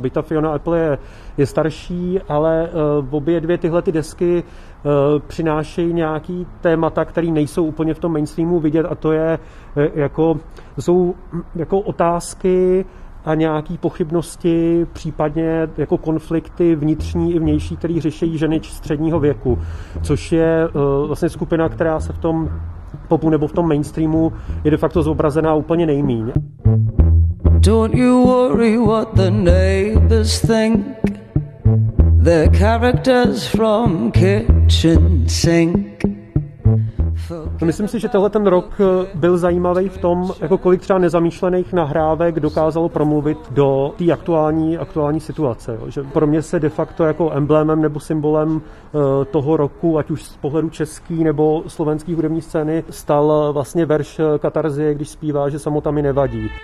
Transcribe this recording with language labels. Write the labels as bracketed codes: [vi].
[cs] Byť ta Fiona Apple je starší, ale obě dvě tyhle ty desky přinášejí nějaký témata, které nejsou úplně v tom mainstreamu vidět, a to je jsou otázky a nějaké pochybnosti, případně jako konflikty vnitřní i vnější, které řeší ženy středního věku, což je vlastně skupina, která se v tom popu nebo v tom mainstreamu je de facto zobrazená úplně nejmíň. [en] Don't you worry what the neighbors think. The characters from Kitchen Sink. [cs] Myslím si, že tenhle ten rok byl zajímavý v tom, jako kolik třeba nezamýšlených nahrávek dokázalo promluvit do té aktuální situace. Jo. Že pro mě se de facto jako emblémem nebo symbolem toho roku, ať už z pohledu český nebo slovenský hudební scény, stal vlastně verš Katarzie, když zpívá, že samota mi nevadí.